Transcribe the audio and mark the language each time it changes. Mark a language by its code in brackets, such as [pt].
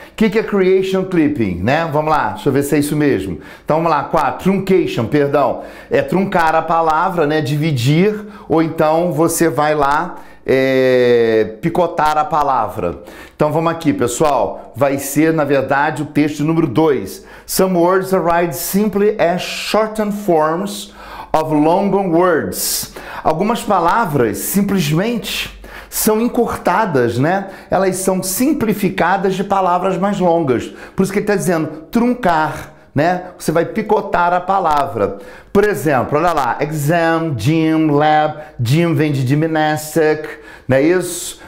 [pt] O que, que é creation clipping, né? Vamos lá, deixa eu ver se é isso mesmo. Então vamos lá, 4, truncation, perdão. É truncar a palavra, né? Dividir, ou então você vai lá picotar a palavra. Então vamos aqui, pessoal. Vai ser, na verdade, o texto número 2. [en] Some words arrive simply as shortened forms of longer words. [pt] Algumas palavras simplesmente são encurtadas, né? Elas são simplificadas de palavras mais longas. Por isso que ele está dizendo truncar, né? Você vai picotar a palavra. Por exemplo, olha lá. Exam, gym, lab. Gym vem de gymnastic, não é isso?